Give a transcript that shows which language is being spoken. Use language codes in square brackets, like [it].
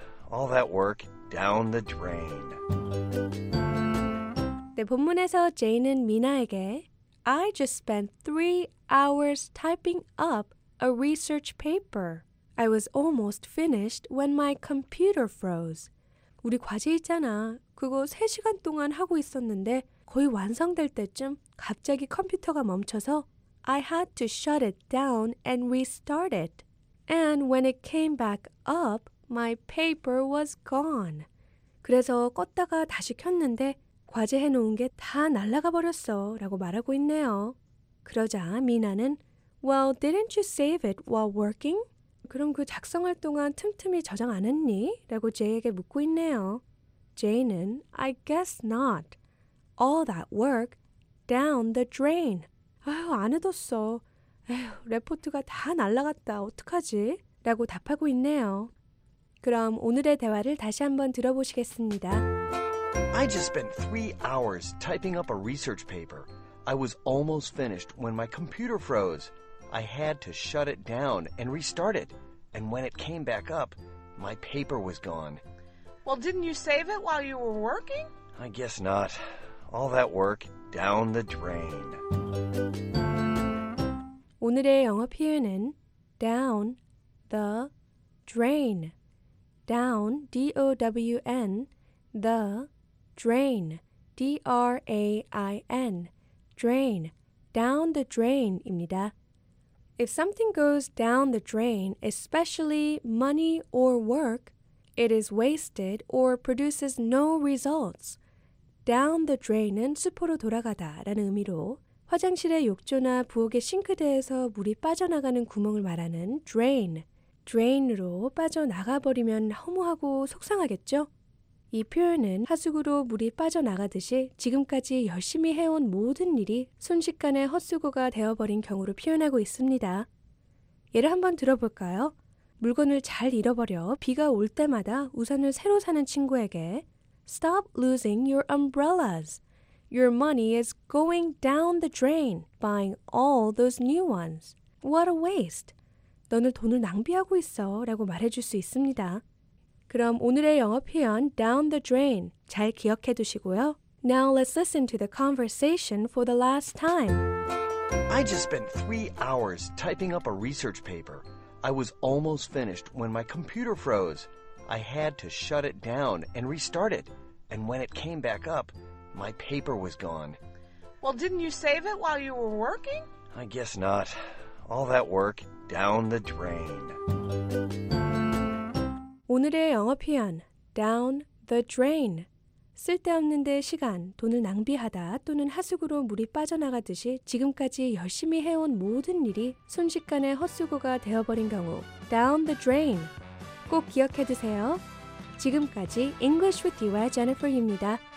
[en] All that work, down the drain. [ko] 네, 본문에서 제인은 미나에게 [en] I just spent 3 hours typing up a research paper. I was almost finished when my computer froze. [ko] 우리 과제 있잖아. 그거 3시간 동안 하고 있었는데 거의 완성될 때쯤 갑자기 컴퓨터가 멈춰서 [en] I had to shut it down and restart it. And when it came back up, my paper was gone. [ko] 그래서 껐다가 다시 켰는데 과제해놓은 게 다 날아가 버렸어 라고 말하고 있네요. 그러자 미나는 [en] Well, didn't you save it while working? [ko] 그럼 그 작성할 동안 틈틈이 저장 안 했니? 라고 제이에게 묻고 있네요. [en] 제이는 I guess not. All that work down the drain. [ko] 아휴, 안 해뒀어. 에휴, 레포트가 다 날아갔다. 어떡하지? 라고 답하고 있네요. 그럼 오늘의 대화를 다시 한번 들어보시겠습니다. [en] I just spent 3 hours typing up a research paper. I was almost finished when my computer froze. I had to shut it down and restart it. And when it came back up, my paper was gone. Well, didn't you save it while you were working? I guess not. All that work, down the drain. [ko] 오늘의 영어 표현은 down the drain. [en] Down, D-O-W-N, the drain, D-R-A-I-N, drain, down the drain입니다. If something goes down the drain, especially money or work, it is wasted or produces no results. [ko] Down the drain은 수포로 돌아가다 라는 의미로 화장실의 욕조나 부엌의 싱크대에서 물이 빠져나가는 구멍을 말하는 drain, drain으로 빠져나가버리면 허무하고 속상하겠죠? 이 표현은 하수구로 물이 빠져나가듯이 지금까지 열심히 해온 모든 일이 순식간에 헛수고가 되어버린 경우를 표현하고 있습니다. 예를 한번 들어볼까요? 물건을 잘 잃어버려 비가 올 때마다 우산을 새로 사는 친구에게 [en] Stop losing your umbrellas. Your money is going down the drain, buying all those new ones. What a waste. [ko] 너는 돈을 낭비하고 있어 라고 말해줄 수 있습니다. 그럼 오늘의 영어 표현 down the drain 잘 기억해 두시고요. [en] Now let's listen to the conversation for the last time. I just spent 3 hours typing up a research paper. I was almost finished when my computer froze. I had to shut it down and restart it. And when it came back up, my paper was gone. Well, didn't you save it while you were working? I guess not. All that work, down the drain. [ko] 오늘의 영어 표현, down the drain. 쓸데없는데 시간, 돈을 낭비하다 또는 하수구로 물이 빠져나가듯이 지금까지 열심히 해온 모든 일이 순식간에 헛수고가 되어버린 경우, down the drain. 꼭 기억해 두세요. 지금까지 English with you와 Jennifer입니다.